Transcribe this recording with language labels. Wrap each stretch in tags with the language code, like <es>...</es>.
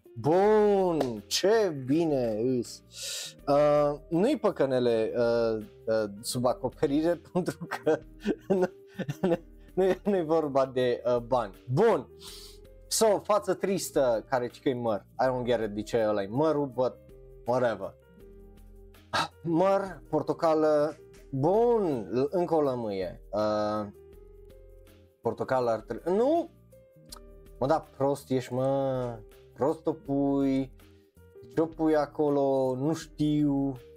<ro>Bun, ce bine îs. Nu-i păcănele sub acoperire pentru că nu-i vorba de bani. Bun, so, față tristă care zic că e măr.</ro> <en>I don't get it,</en> <ro>de ce ăla-i mărul,</ro> <en>but whatever.</en> <ro>Măr, portocală, bun, încă o lămâie. Portocală ar trebui, nu? Mă, da, prost ești, mă. Prost o pui, ce o pui acolo, nu știu.</ro>